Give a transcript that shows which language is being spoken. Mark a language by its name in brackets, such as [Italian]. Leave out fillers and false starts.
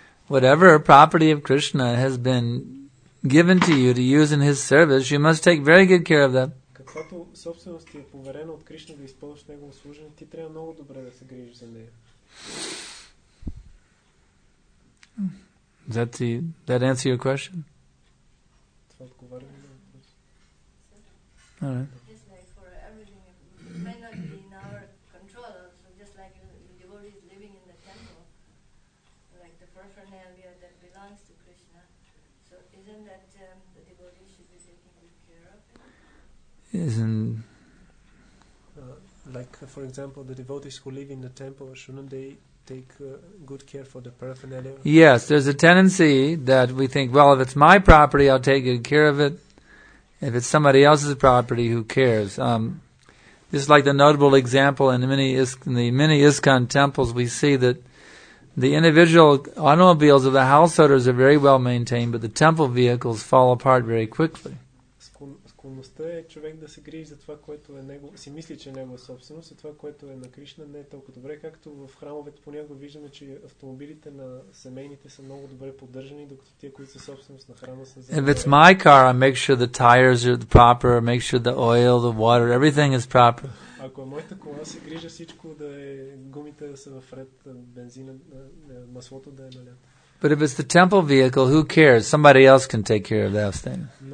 [English] Whatever property of Krishna has been given to you to use in his service, you must take very good care of that. [Bulgarian] Каквато собственост ти е поверена от Кришна да използваш негово служение, ти трябва много добре да се грижиш за нея. [English] That answer your question? [Bulgarian] Това отговаря ли на въпрос? [English] Alright. Yes, like for everything, it may not be in our control, so just like the devotee is living in the temple, like the paraphernalia that belongs to Krishna, so isn't that the devotee should be taking good care of it? Isn't... For example, the devotees who live in the temple, shouldn't they take good care for the paraphernalia? Yes, there's a tendency that we think, well, if it's my property, I'll take good care of it. If it's somebody else's property, who cares? This is like the notable example in the many ISKCON temples. We see that the individual automobiles of the householders are very well maintained, but the temple vehicles fall apart very quickly. [Bulgarian] Е човек да се грижи за това, което е него, си мисли, че е негова собственост, а това, което е на Кришна, не е толкова добре, както в храмовете понякога виждаме, че автомобилите на семейните са много добре поддържани, докато тия, които са собственост на храма, са [English] If it's my car, I make sure the tires are proper, I make sure the oil, the water, everything is proper. [Bulgarian] Ако е моята кола, се грижа всичко да е гумите да са в ред, бензина, маслото да е налято. [English] But if it's the temple vehicle, who cares? Somebody else can take care of that thing.